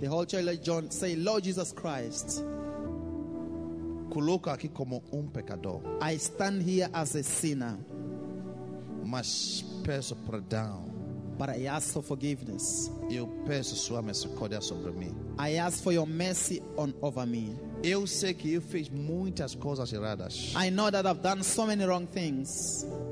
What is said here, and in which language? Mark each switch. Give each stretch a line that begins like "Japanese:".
English: The whole church like John say Lord Jesus Christ.
Portuguese: Coloco aqui como pecador.
English: I stand here as a sinner.
Portuguese: Mas peço perdão.
English: But I ask for forgiveness.
Portuguese: Eu peço sua misericórdia sobre mim.
English: I ask for your mercy on over me.
Portuguese: Eu sei que eu fiz muitas coisas erradas.
English: I know that I've done so many wrong things.